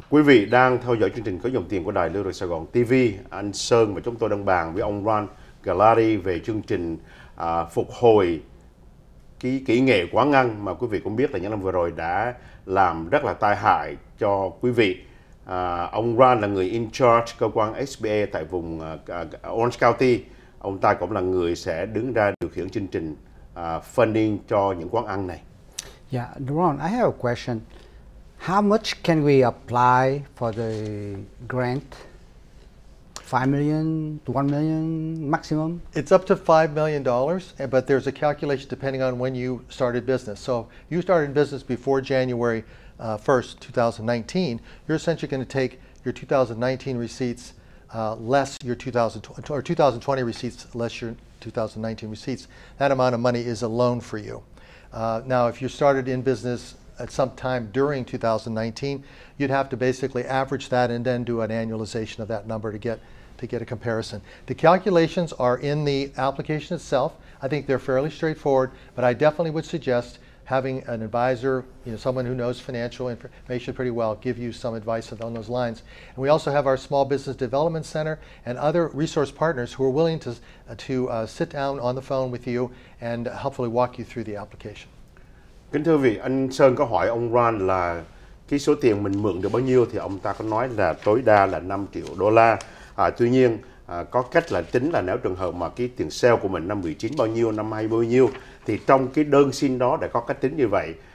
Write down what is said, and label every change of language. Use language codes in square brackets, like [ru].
[vi] Quý vị đang theo dõi chương trình Có Dòng Tiền của đài Little Saigon TV. Anh Sơn và chúng tôi đang bàn với ông Ron Gallery về chương trình phục hồi kỹ nghệ quán ăn mà quý vị cũng biết là những năm vừa rồi đã làm rất là tai hại cho quý vị. Ông Ron là người [en] in charge [vi] cơ quan SBA tại vùng Orange County. Ông ta cũng là người sẽ đứng ra điều khiển chương trình funding cho những quán ăn này. [en] Yeah, Ron, I have a question. How much can we apply for the grant? 5 million, 1 million maximum? It's up to $5 million, but there's a calculation depending on when you started business. So you started business before January 1st, 2019. You're essentially going to take your 2019 receipts less your 2020 receipts less your 2019 receipts. That amount of money is a loan for you. Now, if you started in business at some time during 2019, you'd have to basically average that and then do an annualization of that number to get a comparison. The calculations are in the application itself. I think they're fairly straightforward, but I definitely would suggest having an advisor, you know, someone who knows financial information pretty well, give you some advice on those lines. And we also have our Small Business Development Center and other resource partners who are willing to sit down on the phone with you and hopefully walk you through the application. [vi] Kính thưa vị, anh Sơn có hỏi ông Ron là cái số tiền mình mượn được bao nhiêu thì ông ta có nói là tối đa là 5 triệu đô la. Tuy nhiên, có cách là tính là nếu trường hợp mà cái tiền sale của mình năm 19 bao nhiêu, năm 20 bao nhiêu thì trong cái đơn xin đó đã có cách tính như vậy.